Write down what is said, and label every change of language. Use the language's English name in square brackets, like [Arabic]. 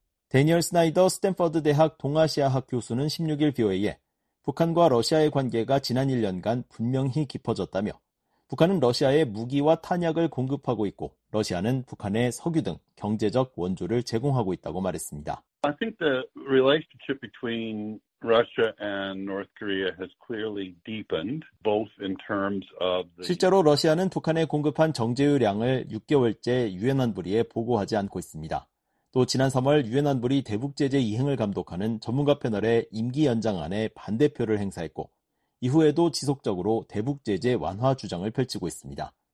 [Korean] 대니얼 스나이더 스탠퍼드 대학 동아시아학 교수는 16일 VOA에 북한과 러시아의 관계가 지난 1년간 분명히 깊어졌다며 북한은 러시아에 무기와 탄약을 공급하고 있고 러시아는 북한에 석유 등 경제적 원조를 제공하고 있다고 말했습니다. [English] I think the relationship between Russia and North Korea has clearly deepened both in terms of the [Korean] 실제로 러시아는 북한에 공급한 정제유량을 6개월째 유엔 안보리에 보고하지 않고 있습니다. 또 지난 3월 유엔 안보리 대북 제재 이행을 감독하는 전문가 패널의 임기 연장안에 반대표를 행사했고 이후에도 지속적으로 대북 제재 완화 주장을 펼치고 있습니다.